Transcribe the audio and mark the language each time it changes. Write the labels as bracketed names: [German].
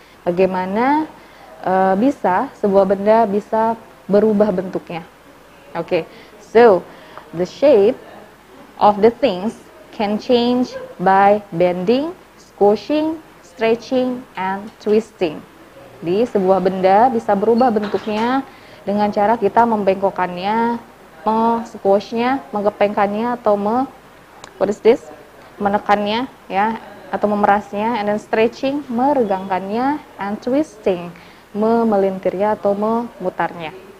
[Indonesian] Bagaimana bisa sebuah benda bisa berubah bentuknya? [English] Okay, so the shape of the things can change by bending, squishing, stretching, and twisting. [Indonesian] Jadi sebuah benda bisa berubah bentuknya dengan cara kita membengkokkannya, mengsquishnya, menggepengkannya, atau menekannya, ya, atau memerasnya, [English] and then stretching, [Indonesian] meregangkannya, [English] and twisting, [Indonesian] memelintirnya atau memutarnya.